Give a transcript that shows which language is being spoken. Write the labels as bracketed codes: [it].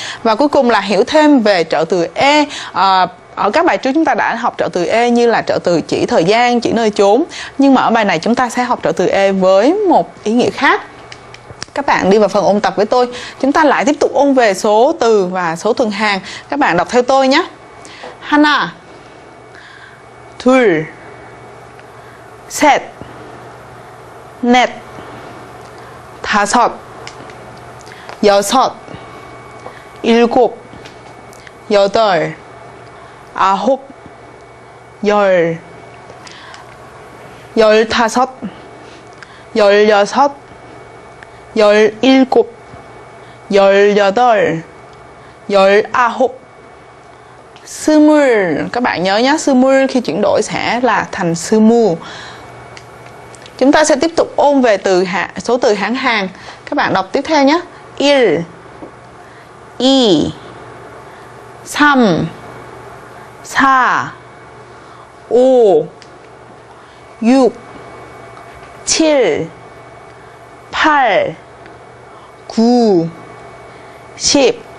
[vi] Và cuối cùng là hiểu thêm về trợ từ e. Ở các bài trước chúng ta đã học trợ từ e như là trợ từ chỉ thời gian, chỉ nơi chốn. Nhưng mà ở bài này chúng ta sẽ học trợ từ e với một ý nghĩa khác. Các bạn đi vào phần ôn tập với tôi. Chúng ta lại tiếp tục ôn về số từ và số thuần hàng. Các bạn đọc theo tôi nhé. [ko] 하나, 둘, 셋, 넷, 다섯, 여섯, 일곱, 여덟, 아홉, 열, 열다섯, 열여섯, 열일곱, 열여덟, 열아홉, 스물. [vi] Các bạn nhớ nhé, 스물 khi chuyển đổi sẽ là thành 스무. Chúng ta sẽ tiếp tục ôn về từ số từ hãng hàng. Các bạn đọc tiếp theo nhé. [ko] 일, 이, 삼, 사, 오, 육, 칠, 팔, 9, 10.